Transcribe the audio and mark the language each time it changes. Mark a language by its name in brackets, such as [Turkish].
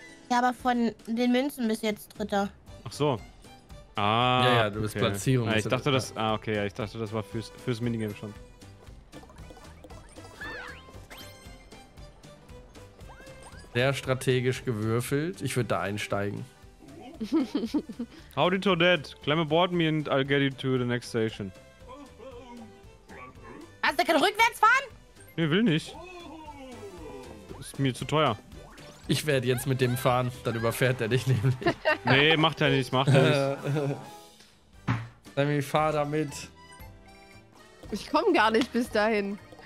[German] Ja, aber von den Münzen bist du jetzt Dritter. Ach so. Ah, ja, ja, du bist okay. Platzierung. Ja, ich dachte, das. Ah, okay, ja, ich dachte, das war fürs Minigame schon. Sehr strategisch gewürfelt. Ich würde da einsteigen. [English] Howdy Toadette, climb aboard me and I'll get you to the next station. [German] Hast du keinen Rückwärtsfahren? Nee, will nicht. Ist mir zu teuer. Ich werde jetzt mit dem fahren, dann überfährt er dich nämlich. Nee, macht er nicht, macht er nicht. Sammy, fahr damit. Ich komm gar nicht bis dahin.